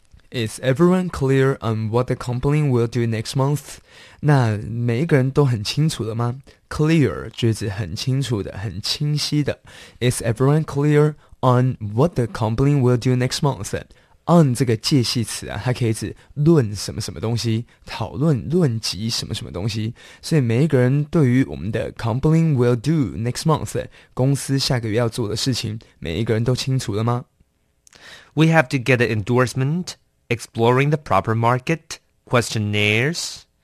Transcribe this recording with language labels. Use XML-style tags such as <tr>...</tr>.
<en>Is everyone clear on what the company will do next month?</en> <zh>那每一个人都很清楚了吗 ?Clear, 句子很清楚的很清晰的。</zh> <en>Is everyone clear on what the company will do next month?</en> <zh>On 这个介系词啊它可以指论什么什么东西讨论论及什么什么东西。所以每一个人对于我们的</zh> <en>company will do next month,</en> <zh>公司下个月要做的事情每一个人都清楚了吗</zh> <en>?We have to get an endorsement. Exploring the proper market, questionnaires.</en>